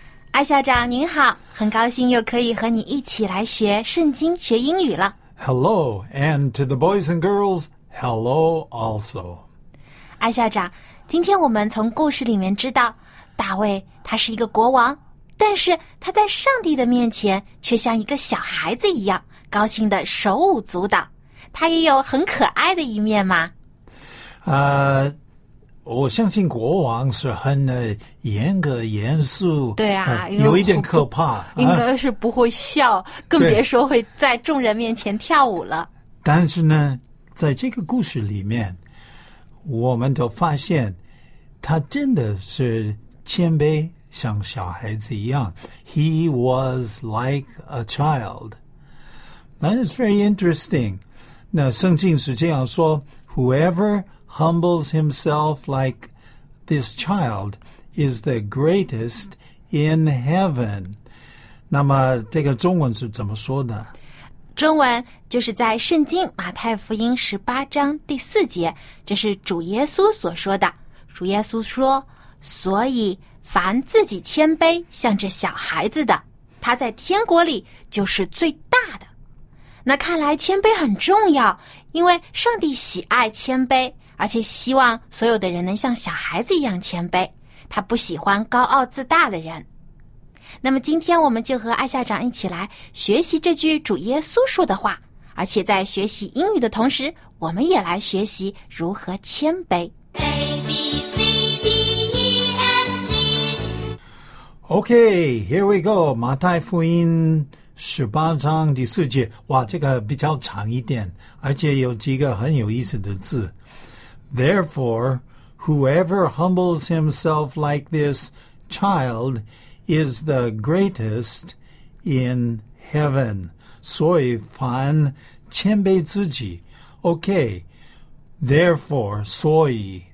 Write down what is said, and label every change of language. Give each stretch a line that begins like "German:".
Chinese: 艾校长您好，很高兴又可以和你一起来学圣经学英语了。
English: Hello, and to the boys and girls, hello also.
Chinese: 艾校长，今天我们从故事里面知道，大卫他是一个国王，但是他在上帝的面前却像一个小孩子一样，高兴的手舞足蹈。他也有很可爱的一面吗？我相信国王是很严格严肃，对啊，有一点可怕，应该是不会笑，更别说会在众人面前跳舞了。但是呢，在这个故事里面，我们都发现他真的是谦卑，像小孩子一样。
English: He was like a child. That is very interesting.
Chinese: 那圣经是这样说，
English: Whoever humbles himself like this child is the greatest in heaven.
Chinese: 那么这个中文是怎么说的？中文就是在圣经马太福音十八章第四节，这是主耶稣所说的。主耶稣说，所以凡自己谦卑像这小孩子的，他在天国里就是最大的。那看来谦卑很重要，因为上帝喜爱谦卑，而且希望所有的人能像小孩子一样谦卑，他不喜欢高傲自大的人。那么今天我们就和艾校长一起来学习这句主耶稣说的话，而且在学习英语的同时，我们也来学习如何谦卑。
English: Okay, here we go.
Chinese: 马太福音十八章第四节。哇，这个比较长一点，而且有几个很有意思的字。
English: Therefore, whoever humbles himself like this child is the greatest in heaven.
Chinese: 所以凡谦卑自己。
English: Okay, therefore, 所以